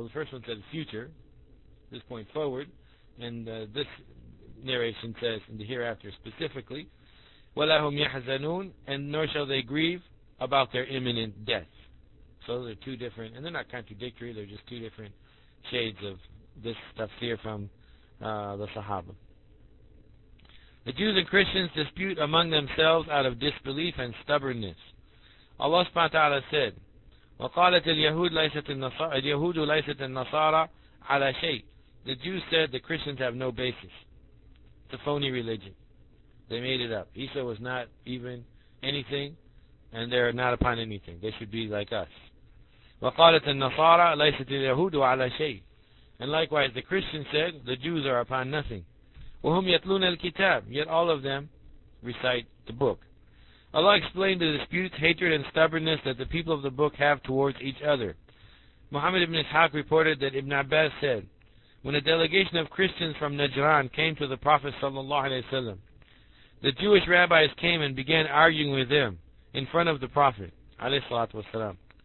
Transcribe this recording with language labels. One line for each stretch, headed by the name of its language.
English: Well, the first one said future, this point forward, and this narration says in the hereafter specifically,
Arabic: وَلَا هُمْ يَحْزَنُونَ,
English: and nor shall they grieve about their imminent death. So those are two different, and they're not contradictory, they're just two different shades of this tafsir from the Sahaba. The Jews and Christians dispute among themselves out of disbelief and stubbornness. Allah subhanahu wa ta'ala said,
Arabic: وقالت اليهود ليست النصارى, اليهود ليست النصارى على شيء.
English: The Jews said the Christians have no basis. It's a phony religion. They made it up. Isa was not even anything, and they're not upon anything. They should be like us.
Arabic: وقالت النصارى ليست اليهود على شيء.
English: And likewise, the Christians said, the Jews are upon nothing.
Arabic: وَهُمْ يَتْلُونَ الْكِتَابِ,
English: yet all of them recite the book. Allah explained the disputes, hatred, and stubbornness that the people of the book have towards each other. Muhammad ibn Ishaq reported that Ibn Abbas said, when a delegation of Christians from Najran came to the Prophet ﷺ, the Jewish rabbis came and began arguing with them in front of the Prophet ﷺ.